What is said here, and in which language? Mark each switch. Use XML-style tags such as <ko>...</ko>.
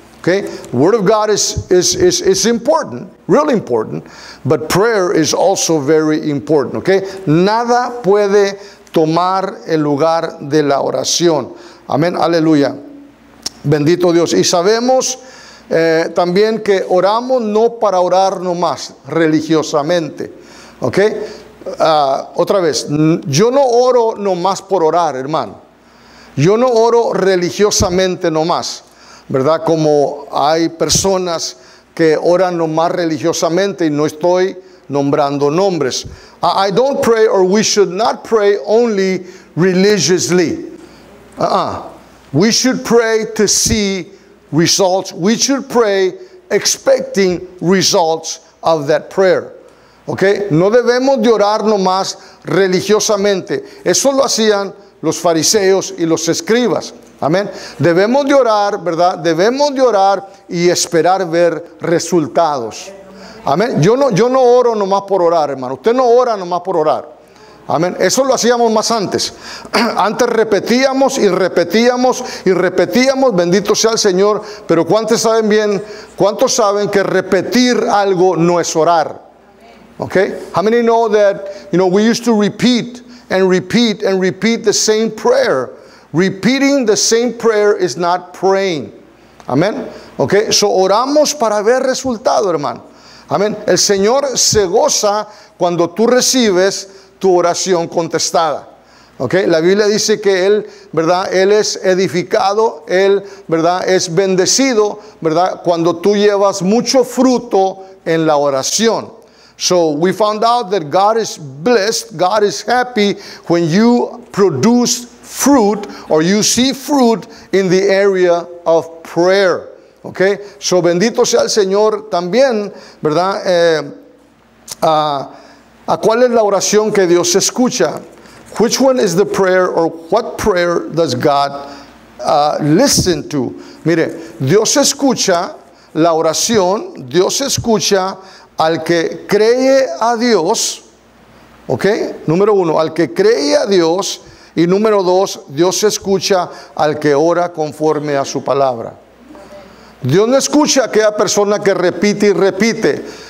<en>Okay, Word of God is important, really important, but prayer is also very important.</en> <es>Okay, nada puede tomar el lugar de la oración. Amén, aleluya. Bendito Dios. Y sabemos también que oramos no para orar nomás religiosamente. ¿Ok? Otra vez. Yo no oro nomás por orar, hermano. Yo no oro religiosamente nomás. ¿Verdad? Como hay personas que oran nomás religiosamente y no estoy nombrando nombres.</es> <en>I don't pray or we should not pray only religiously. We should pray to see results. We should pray expecting results of that prayer.</en> <es>Okay? No debemos de orar nomás religiosamente. Eso lo hacían los fariseos y los escribas. Amén. Debemos de orar, ¿verdad? Debemos de orar y esperar ver resultados. Amén. Yo no oro nomás por orar, hermano. Usted no ora nomás por orar. Amén. Eso lo hacíamos más antes. Antes repetíamos y repetíamos y repetíamos, bendito sea el Señor. Pero ¿cuántos saben bien? ¿Cuántos saben que repetir algo no es orar?</es> <en>Okay. How many know that, you know, we used to repeat and repeat and repeat the same prayer. Repeating the same prayer is not praying. Amén. Okay.</en> <es>So oramos para ver resultado, hermano. Amén. El Señor se goza cuando tú recibes tu oración contestada. Okay? La Biblia dice que él, ¿verdad?, él es edificado, él, ¿verdad?, es bendecido, ¿verdad?, cuando tú llevas mucho fruto en la oración.</es> <en>So we found out that God is blessed, God is happy when you produce fruit or you see fruit in the area of prayer.</en> <es>Okay? So bendito sea el Señor también, ¿verdad? ¿A cuál es la oración que Dios escucha?</es> <en>Which one is the prayer or what prayer does God listen to?</en> <es>Mire, Dios escucha la oración, Dios escucha al que cree a Dios, ¿ok? Número uno, al que cree a Dios, y número dos, Dios escucha al que ora conforme a su palabra. Dios no escucha a aquella persona que repite y repite.</es>